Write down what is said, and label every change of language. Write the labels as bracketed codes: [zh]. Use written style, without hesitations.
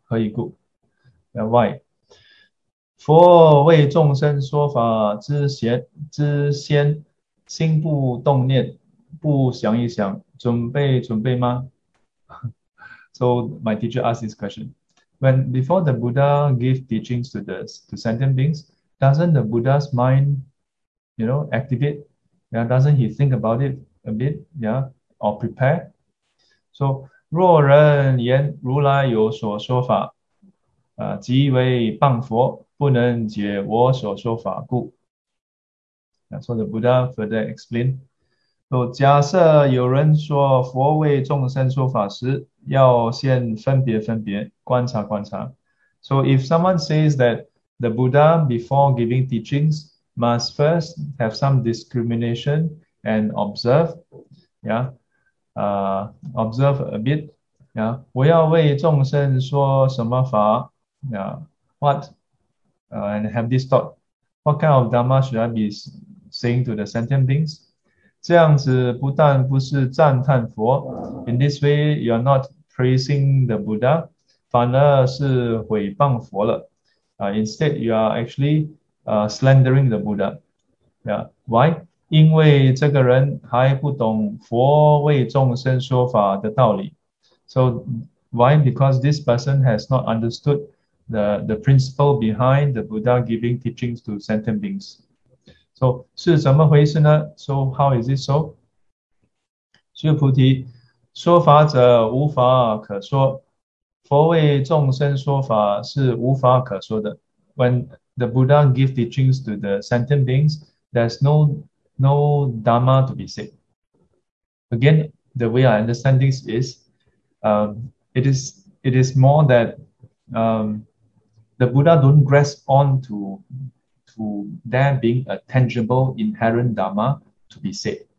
[zh] 何以故？ [en] Yeah, why? [zh] 佛为众生说法之先，心不动念，不想一想，准备吗？ [en] So my teacher asked this question. When before the Buddha give teachings to sentient beings, doesn't the Buddha's mind, activate? Yeah, doesn't he think about it a bit? Yeah, or prepare? So [zh] 若人言如来有所说法，即为谤佛。不能解我所说法故。 [en] So the Buddha further explained. So [zh] 假设有人说佛为众生说法时，要先分别观察观察。 [en] So if someone says that the Buddha before giving teachings must first have some discrimination and observe a bit. [zh] Yeah, 我要为众生说什么法？啊， [en] what？ And have this thought. What kind of dharma should I be saying to the sentient beings? [zh] 这样子不但不是赞叹佛， [en] In this way, you are not praising the Buddha， [zh] 反而是毁谤佛了。 [en] Instead, you are actually slandering the Buddha. Yeah, why? [zh] 因为这个人还不懂佛为众生说法的道理。 [en] So why? Because this person has not understood the principle behind the Buddha giving teachings to sentient beings. So 是怎么回事呢？ So how is it so？ [zh] 须菩提，说法者无法可说。佛为众生说法是无法可说的。 [en] When the Buddha give teachings to the sentient beings, there's no dharma to be said. Again, the way I understand this is, it is more that the Buddha don't grasp on to there being a tangible inherent Dharma to be said.